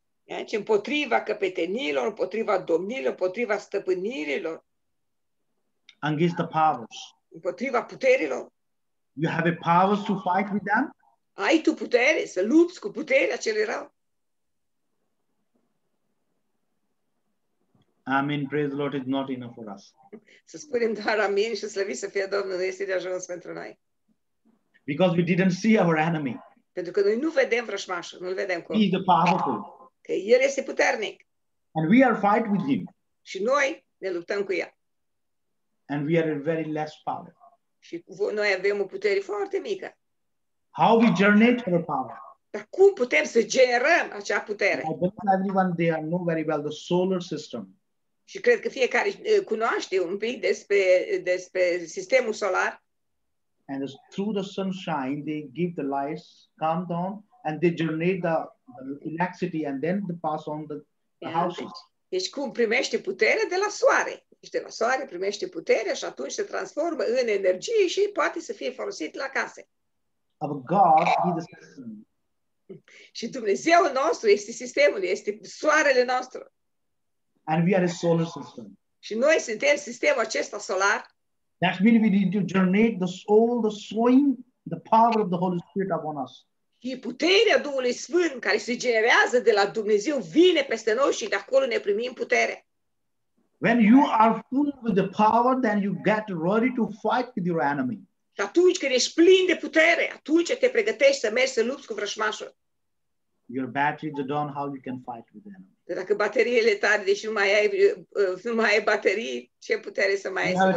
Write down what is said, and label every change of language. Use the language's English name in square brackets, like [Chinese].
[Romanian] Deci împotriva căpetenilor, împotriva domnilor, împotriva stăpânirilor. [English] Against the powers. [Romanian] Împotriva puterilor. [English] You have a power to fight with them? [Romanian] Ai tu putere să lupți cu puterea celor rău? [English] Amen, praise the Lord, is not enough for us. [Romanian] Să spunem doar amin și slăvi să fie Domnul, nu este de ajuns pentru noi. [English] Because we didn't see our enemy. [Romanian] Pentru că noi nu vedem vrășmașul, nu-l vedem cum. [English] He is the powerful. [Romanian] Că el este puternic. [English] And we are fight with him. [Romanian] Și noi ne luptăm cu el. [English] And we are a very less power. [Romanian] Și noi avem o putere foarte mică. [English] How we generate our power? [Romanian] Dar cum putem să generăm acea putere? [English] I don't know everyone there know very well the solar system. [Romanian] Și cred că fiecare cunoaște un pic despre sistemul solar. [English] And through the sunshine they give the lights come down and they generate the electricity and then they pass on the houses. [Romanian] Deci cum primește putere de la soare? Și de la soare primește puterea și atunci se transformă în energie și poate să fie folosit la case. [English] Of God be the system. [Romanian] Și Dumnezeu nostru este sistemul, este soarele nostru. [English] And we are a solar system. [Romanian] Și noi suntem sistemul acesta solar. [English] That means we need to generate the soul, the sowing, the power of the Holy Spirit upon us. [Romanian] Și puterea Duhului Sfânt care se generează de la Dumnezeu vine peste noi și de acolo ne primim putere. [English] When you are full with the power, then you get ready to fight with your enemy. [Romanian] Atunci când ești plin de putere, atunci te pregătești să mergi să lupți cu vrășmașul. [English] your batteries are down, how you can fight with the enemy. [Romanian] Dacă bateriile tari, deși nu mai ai baterii, ce putere să mai ai?